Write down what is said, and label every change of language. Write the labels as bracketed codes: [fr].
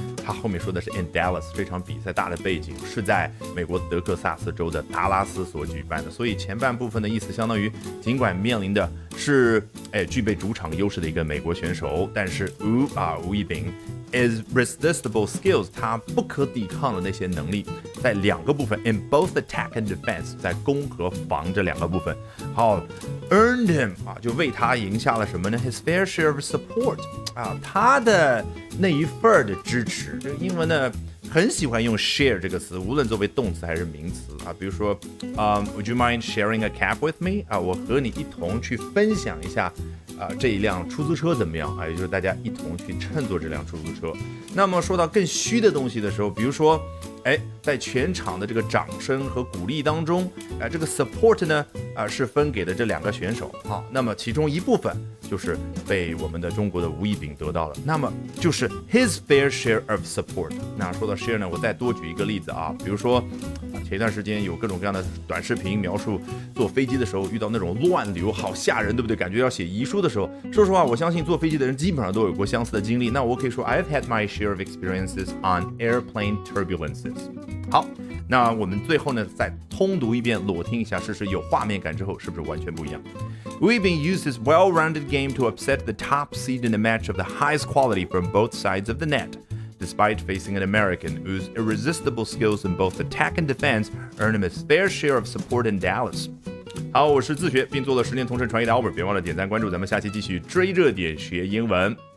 [zh] 他后面说的是 [en] in Dallas， [zh] 这场比赛大的背景是在美国德克萨斯州的达拉斯所举办的，所以前半部分的意思相当于尽管面临的是具备主场优势的一个美国选手，但是吴亦丙 [en] is resistible skills， [zh] 他不可抵抗的那些能力在两个部分， [en] in both attack and defense， [zh] 在攻和防这两个部分。好， [en] earned him [zh] 啊，就为他赢下了什么呢？ [en] his fair share of support [zh] 啊，他的那一份的支持。这个英文呢很喜欢用 share 这个词，无论作为动词还是名词啊。比如说 [en] would you mind sharing a cab with me？ [zh] 啊，我和你一同去分享一下这一辆出租车怎么样啊，也就是大家一同去乘坐这辆出租车。那么说到更虚的东西的时候，比如说在全场的这个掌声和鼓励当中这个 support 呢是分给的这两个选手啊，那么其中一部分就是被我们的中国的吴亦丙得到了，那么就是 [en] his fair share of support。 [zh] 那说到 share 呢，我再多举一个例子啊，比如说前一段时间有各种各样的短视频描述坐飞机的时候遇到那种乱流，好吓人，对不对？感觉要写遗书的时候，说实话我相信坐飞机的人基本上都有过相似的经历，那我可以说 [en] I've had my share of experiences on airplane turbulences。 [zh] 好，那我们最后呢再通读一遍，裸听一下，试试有画面感之后是不是完全不一样。 [en] We've been used his well-rounded game to upset the top seed in a match of the highest quality from both sides of the net。 Despite facing an American whose irresistible skills in both attack and defense earned him his fair share of support in Dallas。 [zh] 好，我是自学并做了10年同城传译的 Albert， 别忘了点赞关注，咱们下期继续追热点学英文。